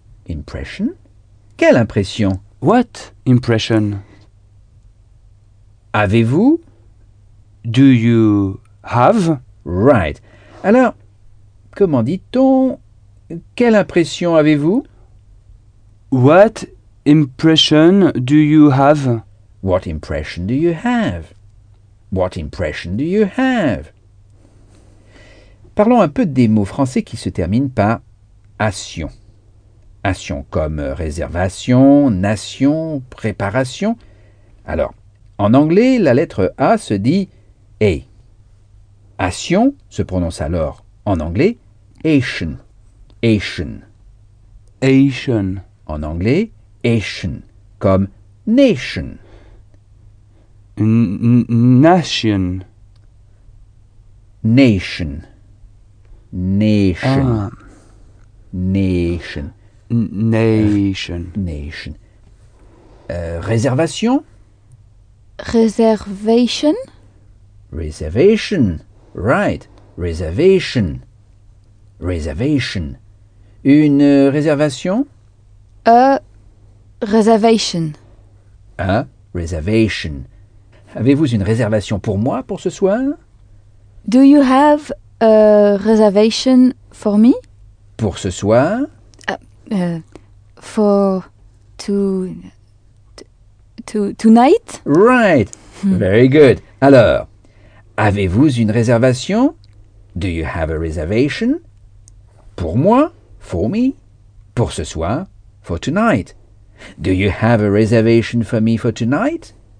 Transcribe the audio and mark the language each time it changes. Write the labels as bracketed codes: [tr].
[fr] Impression. Quelle impression? [en] What impression? [fr] Avez-vous? [en] Do you have? [fr] Right. Alors, comment dit-on? Quelle impression avez-vous? [en] What impression do you have? What impression do you have? What impression do you have? [fr] Parlons un peu des mots français qui se terminent par « ation ». « Ation » comme « réservation »,« nation », »,« préparation ». Alors, en anglais, la lettre « a » se dit « a ». « Ation » se prononce alors en anglais « ation ».« Ation ».« Ation ». En anglais « ation » comme « nation ». [en] Nation. Nation. Nation. Nation. Nation. Nation. Réservation. Reservation. Reservation. Right. Reservation. Reservation. [fr] Une réservation. [en] A reservation. A reservation. [fr] Avez-vous une réservation pour moi pour ce soir? [en] Do you have a reservation for me? [fr] Pour ce soir? [en] For tonight? Right. Very good. [fr] Alors, avez-vous une réservation? [en] Do you have a reservation? [fr] Pour moi? [en] For me? [fr] Pour ce soir? [en] For tonight? Do you have a reservation for me for tonight?